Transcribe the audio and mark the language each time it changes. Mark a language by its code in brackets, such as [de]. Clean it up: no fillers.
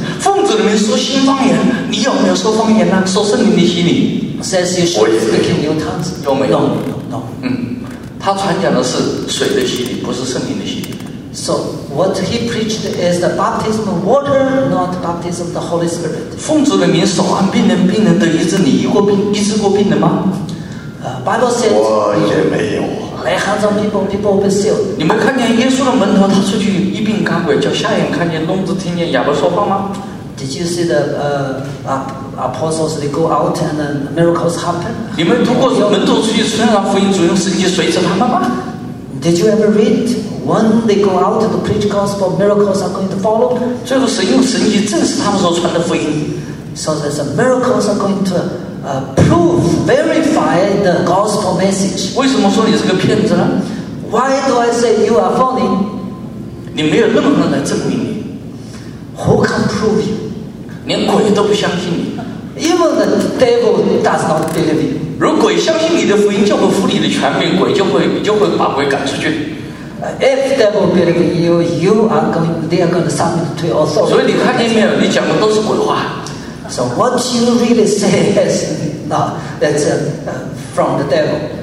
[zh] 奉主的名说新方言，你有没有说方言呢？说圣灵的洗礼。 [en] Says you should speak in new tongues. [zh] 有没有？ [en] No. [zh] 嗯，他传讲的是水的洗礼，不是圣灵的洗礼。 [en] So what he preached is the baptism of water, not baptism of the Holy Spirit. [zh] 奉主的名手按病人，病人得医治。你医治过病人吗？ [en] Bible says [zh] 我也没有。 [en] Lay hands on people will be healed. [zh] 你们看见耶稣的门徒，他出去一病赶鬼，叫瞎眼看见，聋子听见，哑巴说话吗？ [en] Did you see the apostles? They go out and miracles happen. [zh] 你们读过门徒出去宣扬福音，主用神迹随着他们吗？ [en] Did you ever read when they go out to preach gospel, miracles are going to follow? [zh] 最后神用神迹证实他们所传的福音。 [en] So that the miracles are going to prove, verify the gospel message. [zh] 为什么说你是个骗子呢？ [en] Why do I say you are phony? [zh] 你没有任何人来证明你。 [en] Who can prove you? [zh] 连鬼都不相信你。 [en] Even the devil does not believe you. [zh] 如果鬼相信你的福音，就会服你的权柄，鬼就会把鬼赶出去。 [en] If devil believe you, they are going to submit to your authority. [zh] 所以你看见没有？你讲的都是鬼话。 [en] So what you really say is not that's from the devil.